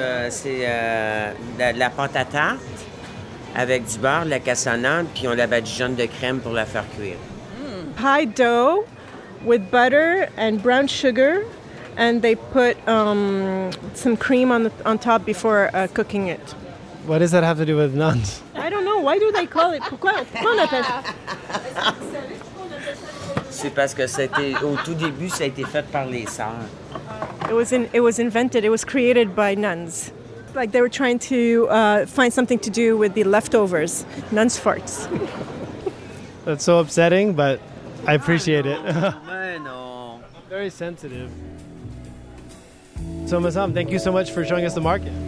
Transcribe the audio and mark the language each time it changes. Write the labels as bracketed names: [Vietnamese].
[French] C'est la pâte à tarte avec du beurre, la cassonade, puis on la badigeonne de crème pour la faire cuire. Mm. [English] Pie dough with butter and brown sugar, and they put some cream on top before cooking it. What does that have to do with nuns? I don't know. Why do they call it? [French] Pourquoi on appelle? C'est parce que c'était au tout début, ça a été fait par les sœurs. [English] It was created by nuns. Like they were trying to find something to do with the leftovers, nuns' farts. That's so upsetting, but I appreciate it. Very sensitive. So, Masam, thank you so much for showing us the market.